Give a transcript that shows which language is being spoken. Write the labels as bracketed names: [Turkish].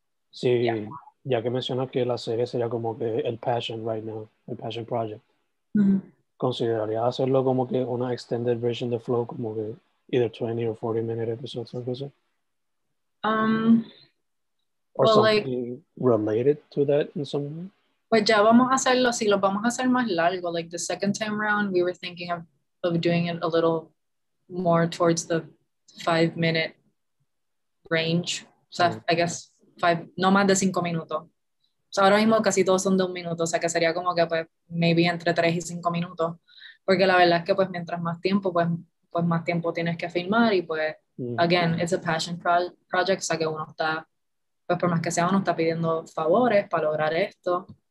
[Spanish] Sí, ya que mencionas que la serie sería como que el [English] passion right now, [Spanish] el [English] passion project. [Spanish] ¿Consideraría hacerlo como que una [English] extended version [Spanish] de flow, como que [English] either 20 or 40 minute episodes, [Spanish] algo así? [English] Or well, something like, related to that in some way? [Spanish] Pues ya vamos a hacerlo, sí, lo vamos a hacer más largo. [English] Like the second time around, we were thinking of doing it a little more towards the 5 minute range. [Spanish] O sea, [English] I guess [Spanish] no más de 5 minutos. O sea, ahora mismo casi todos son de 1 minuto, o sea, que sería como que pues [English] maybe [Spanish] entre 3 y 5 minutos. Porque la verdad es que pues mientras más tiempo, pues más tiempo tienes que filmar y pues, [English] again, it's a passion project, [Spanish] o sea, que uno está, pues por más que sea, uno está pidiendo favores para lograr esto.